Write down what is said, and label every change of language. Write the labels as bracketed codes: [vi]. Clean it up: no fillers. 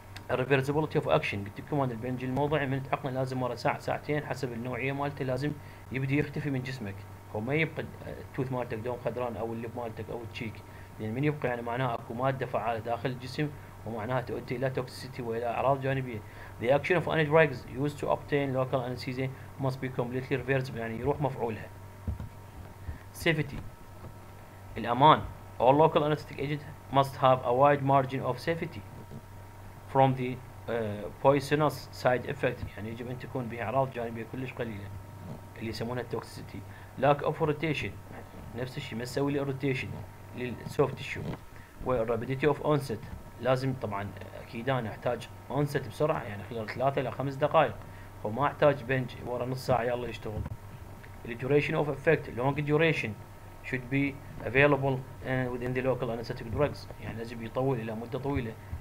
[ar] الريفرسبيلتي اوف اكشن، قلت لكم هذا البنج الموضعي من تعقنه لازم ورا ساعه ساعتين حسب النوعيه مالته لازم يبدي يختفي من جسمك، هو ما يبقى التوث مالتك دون خضران او اللب مالتك او التشيك، لان من يبقى يعني معناه اكو ماده فعاله داخل الجسم ومعناها تؤدي الى توكسيسيتي والى اعراض جانبيه. [en] The action of any drugs used to obtain local anesthesia must be completely reversible، [ar] يعني يروح مفعولها. [en] Safety، الامان، all local anesthetic agent must have a wide margin of safety from the poisonous side effect، [ar] يعني يجب ان تكون بها اعراض جانبيه كلش قليله اللي يسمونها التوكسيسيتي. [en] Lack of rotation، [ar] نفس الشيء ما تسوي لي rotation للسوفت تيشو. والرابيديتي اوف اونست، لازم طبعا اكيد انا احتاج اونست بسرعه يعني خلال 3 الى 5 دقائق، فما احتاج بنج ورا نص ساعه يلا يشتغل. [en] الديوريشن of effect, long duration should be available within the local anaesthetic drugs, [ar] يعني لازم يطول الى مده طويله.